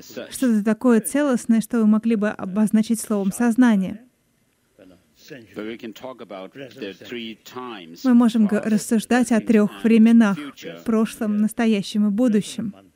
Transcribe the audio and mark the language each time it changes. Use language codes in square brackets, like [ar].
[ru] Что-то такое целостное, что вы могли бы обозначить словом «сознание». [en] But we can talk about the three times. [ru] Мы можем рассуждать о трех временах: прошлом, настоящем и будущем.